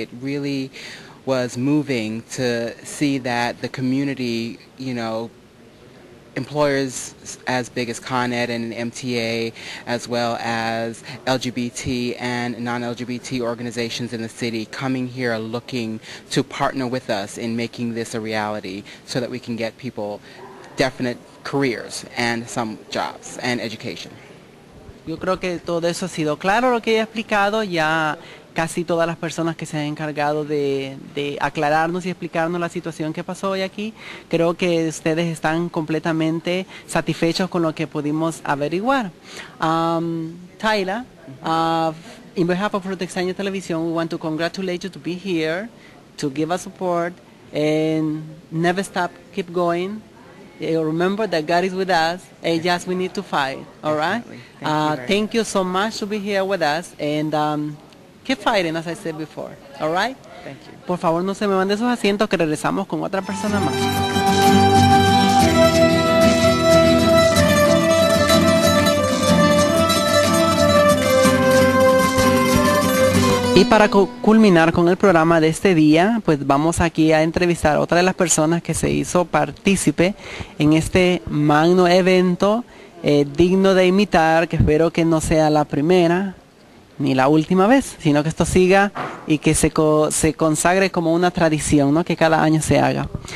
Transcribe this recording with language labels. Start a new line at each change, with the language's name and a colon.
English: It really was moving to see that the community, you know, employers as big as Con Ed and MTA, as well as LGBT and non-LGBT organizations in the city, coming here looking to partner with us in making this a reality so that we can get people definite careers and some jobs and education.
Spanish: Yo creo que todo eso ha sido claro lo que he explicado ya. Casi todas las personas que se han encargado de aclararnos y explicarnos la situación que pasó hoy aquí, creo que ustedes están completamente satisfechos con lo que pudimos averiguar.
English: Tyler, in behalf of Fruta Extraña Televisión, we want to congratulate you to be here, to give us support, and never stop, keep going. Remember that God is with us, and just we need to fight, all right? Thank you so much to be here with us, and keep fighting, as I said before. All right? Thank you.
Spanish: Por favor, no se me mande sus asientos, que regresamos con otra persona más. Y para culminar con el programa de este día, pues vamos aquí a entrevistar a otra de las personas que se hizo partícipe en este magno evento, digno de imitar, que espero que no sea la primera ni la última vez, sino que esto siga y que se consagre como una tradición, ¿no? Que cada año se haga.